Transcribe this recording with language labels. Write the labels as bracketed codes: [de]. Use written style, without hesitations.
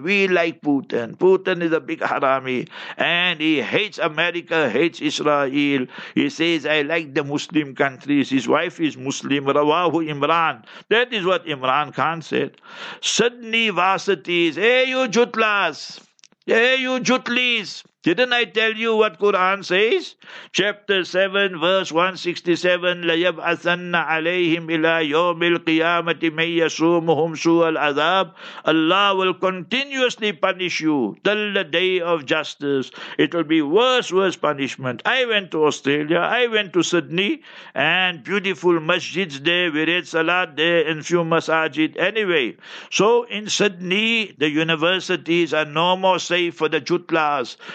[en] We like Putin. Putin is a big harami. And he hates America, hates Israel. He says, I like the Muslim countries. His wife is Muslim. Rawahu Imran. That is what Imran Khan said. Sydney Varsities. Hey, you jutlas. Hey, you jutlis. Didn't I tell you what Quran says? Chapter 7, verse 167, [ar] لَيَبْعَثَنَّ عَلَيْهِمْ إِلَىٰ يَوْمِ الْقِيَامَةِ مَنْ يَسُومُهُمْ سُوَ الْعَذَابِ. [en] Allah will continuously punish you till the day of justice. It will be worse punishment. I went to Australia, I went to Sydney, and beautiful masjids there, we read salat there, and few masajid. Anyway, so in Sydney, the universities are no more safe for the jutlas.